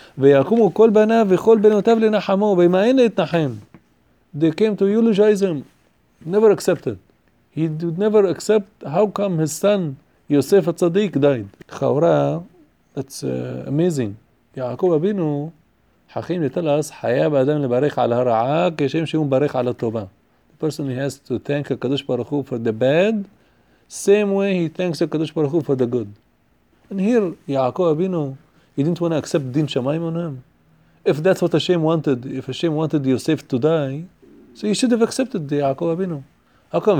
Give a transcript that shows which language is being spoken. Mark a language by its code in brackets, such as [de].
[he] ויקומו כל בניו וכל בנותיו לנחמו, ומאין להתנחם. [en] They came to eulogize him. Never accepted. He would never accept how come his son, Yosef HaTzadik, died. חאורה, that's amazing. [he] יעקב אבינו, חכים לטלס, חייב האדם לברך על הרעה, כשם שהוא מברך על הטובה. [en] The person has to thank הקדוש ברוך הוא for the bad, same way he thanks הקדוש ברוך הוא for the good. And here, יעקב אבינו, he didn't want to accept Din Shamayim on him. If that's what Hashem wanted, if Hashem wanted Yosef to die, so he should have accepted the Yaakov Avinu. How come?